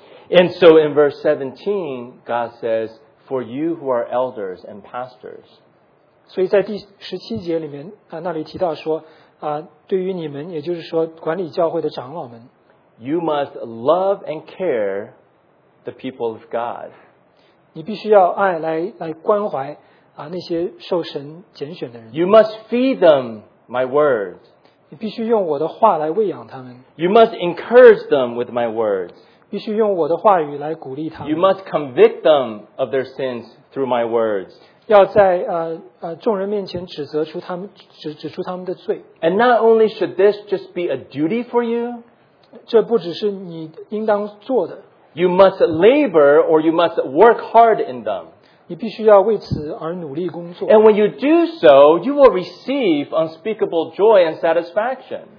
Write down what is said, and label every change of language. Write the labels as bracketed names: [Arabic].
[English] And so in verse 17, God says, "For you who are elders and pastors." [Chinese] 所以在第十七节里面啊、那里提到说啊、对于你们，也就是说管理教会的长老们 [English] ，You must love and care the people of God. [Chinese] 你必须要爱来关怀啊、那些受神拣选的人。 [English] You must feed them my word. [Chinese] 你必须用我的话来喂养他们。 [English] You must encourage them with my words. [Chinese] 必须用我的话语来鼓励他们。 [English] You must convict them of their sins through my words. [Chinese] 要在众人面前指责出他们指出他们的罪。 [English] And not only should this just be a duty for you, [Chinese] 这不只是你应当做的。 [English] You must labor or you must work hard in them. [Chinese] 你必须要为此而努力工作。 [English] And when you do so, you will receive unspeakable joy and satisfaction.